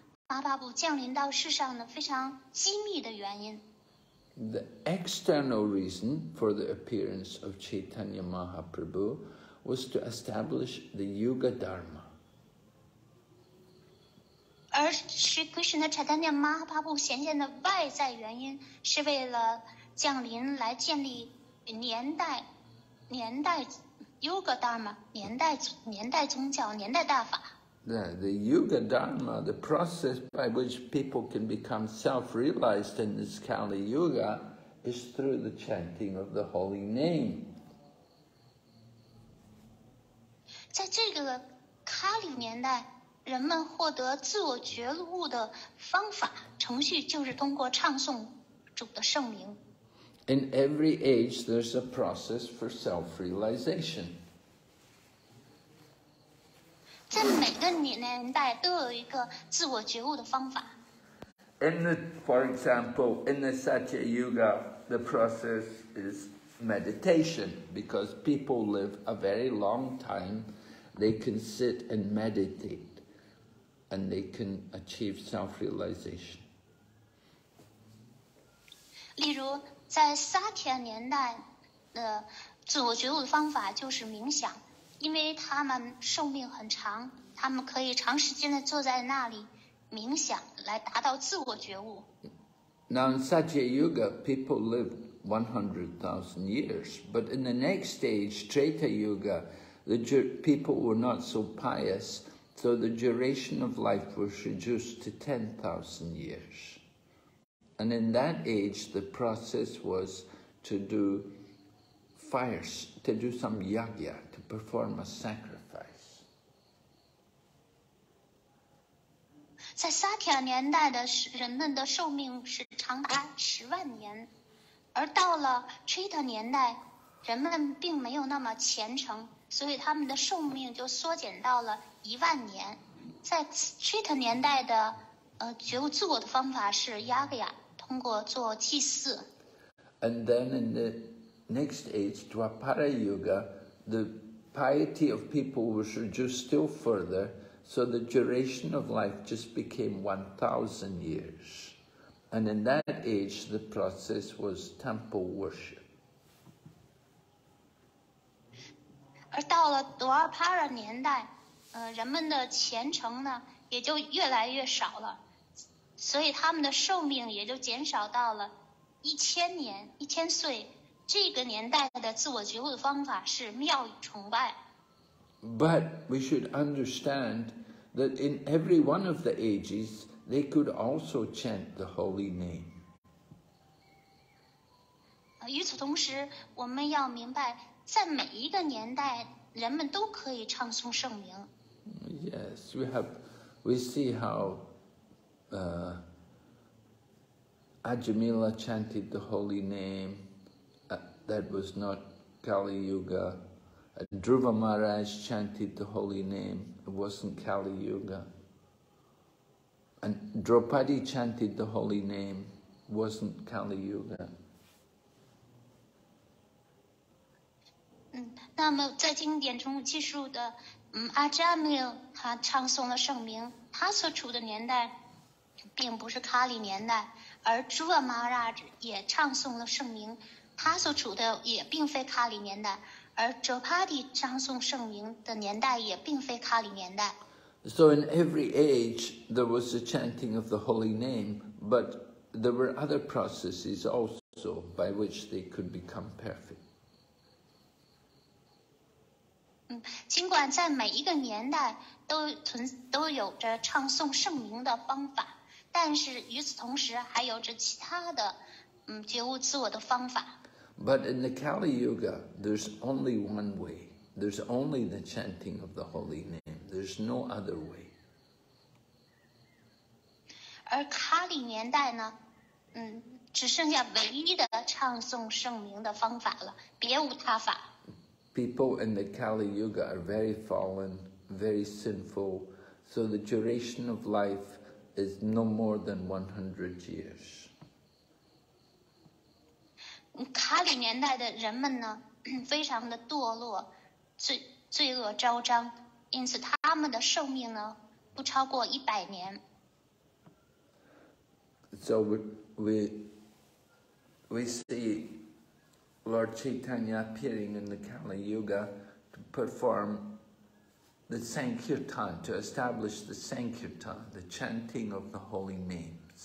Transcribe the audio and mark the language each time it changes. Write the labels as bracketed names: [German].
[Chinese] 马巴布降临到世上的非常机密的原因。 [English] The external reason for the appearance of Chaitanya Mahaprabhu was to establish the Yuga Dharma. [Chinese] 而是 Krishna Chaitanya Mahaprabhu 显现的外在原因是为了降临来建立年代 Yuga Dharma, 年代宗教年代大法。 [English] The Yuga Dharma, the process by which people can become self-realized in this Kali Yuga, is through the chanting of the holy name. [Chinese] 在这个卡里年代，人们获得自我觉悟的方法程序就是通过唱诵主的圣名。 [English] In every age, there's a process for self-realization. [Chinese] 在每个年代都有一个自我觉悟的方法。 [English] For example, in the Satya Yuga, the process is meditation, because people live a very long time, they can sit and meditate, and they can achieve self-realization. [Chinese] 例如，在萨提亚年代的自我觉悟的方法就是冥想，因为他们寿命很长。他们可以长时间地坐在那里冥想来达到自我觉悟。 [English] Now in Satya Yuga, people lived 100,000 years, but in the next stage, Treta Yuga, the people were not so pious, so the duration of life was reduced to 10,000 years. And in that age, the process was to do fires, to do some yajna, to perform a sacrifice. [Chinese] 在萨提亚年代的人们的寿命是长达10万年，而到了 Treta 年代，人们并没有那么虔诚，所以他们的寿命就缩减到了10,000年。在 Treta 年代的觉悟自我的方法是 Yagya， 通过做祭祀。 [English] And then in the next age, Dwapara Yuga, the piety of people was reduced still further. So the duration of life just became 1,000 years. And in that age, the process was temple worship. [Chinese] 而到了 Dwapara 年代，人们的虔诚呢，也就越来越少了，所以他们的寿命也就减少到了1,000年，1,000岁。这个年代的自我觉悟的方法是庙宇崇拜。 [English] But we should understand. That in every one of the ages, they could also chant the holy name. [Chinese] 与此同时，我们要明白，在每一个年代，人们都可以唱诵圣名。 [English] Yes, we see how Ajamila chanted the holy name. That was not Kali Yuga. Dhruva Maharaj chanted the holy name. It wasn't Kali Yuga. And Draupadi chanted the holy name. It wasn't Kali Yuga. [Chinese] 那么在经典中记述的，阿扎米尔他唱诵了圣名，他所处的年代并不是卡里年代，而 Dhruva Maharaj 也唱诵了圣名，他所处的也并非卡里年代。而 Draupadi 唱诵圣名的年代也并非卡里年代。 [English] So in every age, there was the chanting of the holy name, but there were other processes also by which they could become perfect. [Chinese] 尽管在每一个年代都有着唱颂圣名的方法，但是与此同时还有着其他的觉悟自我的方法。 [English] But in the Kali Yuga, there's only one way. There's only the chanting of the holy name. There's no other way. [Chinese] 而卡里年代呢，只剩下唯一的唱颂圣名的方法了，别无他法。 [English] People in the Kali Yuga are very fallen, very sinful, so the duration of life is no more than 100 years. [Chinese] Kali 年代的人们呢，非常的堕落，罪恶昭彰，因此他们的寿命呢，不超过100年。 [English] So we see Lord Chaitanya appearing in the Kali Yuga to perform the Sankirtan, to establish the Sankirtan, the chanting of the holy names.